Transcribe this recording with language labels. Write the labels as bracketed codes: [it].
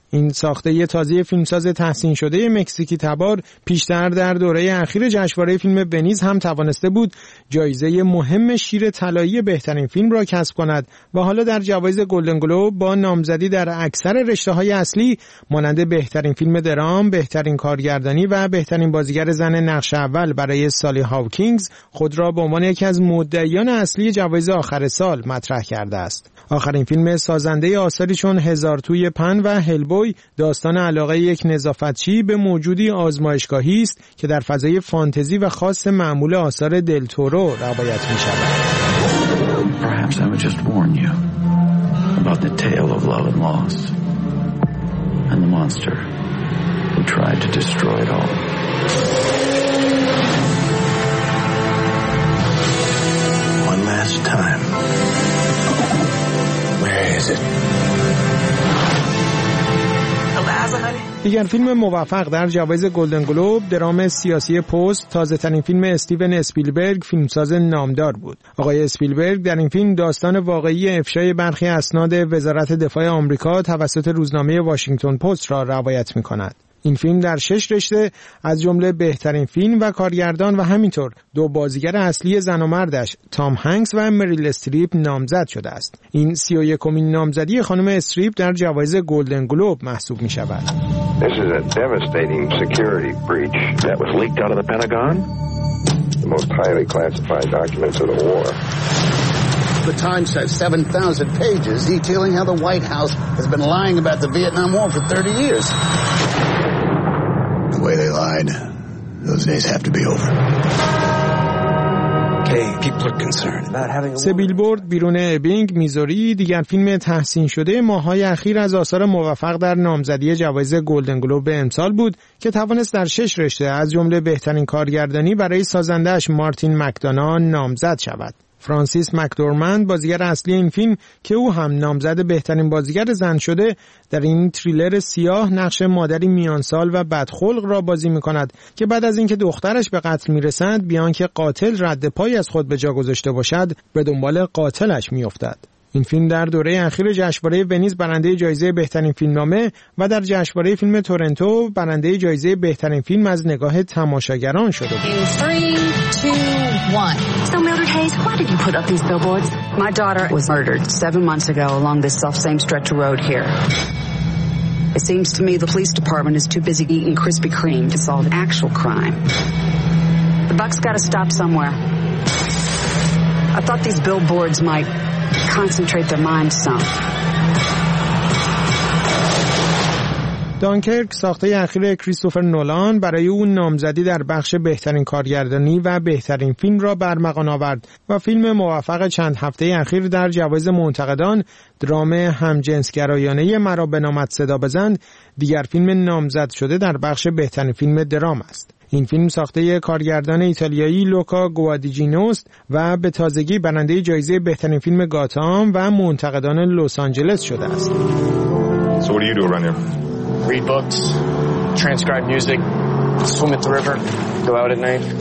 [fa] این ساخته تازه فیلمساز تحسین شده مکزیکی تبار پیشتر در دوره اخیر جشنواره فیلم ونیز هم توانسته بود جایزه مهم شیر طلایی بهترین فیلم را کسب کند و حالا در جوایز گلدن گلوب با نامزدی در اکثر رشته‌های اصلی مانند بهترین فیلم درام، بهترین کارگردانی و بهترین بازیگر زن نقش اول برای سالی هاوکینگز خود را به عنوان یکی از مدعیان اصلی جوایز آخر سال مطرح کرده است. آخرین فیلم سازنده آثاری چون هزار توی پن و هلبوی داستان علاقه یک نظافتچی به موجودی آزمایشگاهی است که در فضای فانتزی و خاص معمول آثار دل تورو روایت می‌شود. [en] Perhaps I would just warn you about the tale of love and loss and the monster who tried to destroy it all. One last time. Where is it? [fa] دیگر فیلم موفق در جوایز گلدن گلوب، درام سیاسی پست، تازه‌ترین فیلم استیون اسپیلبرگ، فیلمساز نامدار بود. آقای اسپیلبرگ در این فیلم داستان واقعی افشای برخی اسناد وزارت دفاع آمریکا توسط روزنامه واشنگتن پست را روایت می‌کند. این فیلم در 6 رشته از جمله بهترین فیلم و کارگردان و همینطور دو بازیگر اصلی زن و مردش تام هنگس و مریل استریپ نامزد شده است. این 31مین نامزدی خانم استریپ در جوایز گلدن گلوب محسوب می شود. [en] This is a devastating security breach that was leaked out of the Pentagon. The most highly classified documents of the war. The Times has 7,000 pages detailing how the White House has been lying about the Vietnam War for 30 years. The way they lied, those days have to be over. [fa] سه بیلبورد بیرون ابینگ میزوری دیگر فیلم تحسین شده ماهای اخیر از آثار موفق در نامزدی جوایز گلدن گلوب به امسال بود که توانست در 6 رشته از جمله بهترین کارگردانی برای سازندهش مارتین مکدانا نامزد شود. فرانسیس مکدورمند بازیگر اصلی این فیلم که او هم نامزد بهترین بازیگر زن شده در این تریلر سیاه نقش مادری میانسال و بدخلق را بازی می‌کند که بعد از اینکه دخترش به قتل می‌رسد بیان که قاتل رد پای از خود به جا گذاشته باشد به دنبال قاتلش می‌افتد. این فیلم در دوره اخیر جشنواره ونیز برنده جایزه بهترین فیلمنامه و در جشنواره فیلم تورنتو برنده جایزه بهترین فیلم از نگاه تماشاگران شده بود. [en] 3, 2, 1. So Mildred Hayes, why did you put up these billboards? My daughter was murdered 7 months ago along this same stretch of road here. It seems to me the police department is too busy eating Krispy Kreme to solve actual crime. The buck's got to stop somewhere. I thought these billboards might concentrate their minds some. [fa] دانکرک ساخته اخیر کریستوفر نولان برای او نامزدی در بخش بهترین کارگردانی و بهترین فیلم را برمقان آورد و فیلم موفق چند هفته اخیر در جوایز منتقدان درام همجنسگرایانه مرا به نامت صدا بزن دیگر فیلم نامزد شده در بخش بهترین فیلم درام است. این فیلم ساخته کارگردان ایتالیایی لوکا گوادیجینوست و به تازگی برنده جایزه بهترین فیلم گاتام و منتقدان لس آنجلس شده است. [en] Read books, transcribe music, swim at the river, go out at night.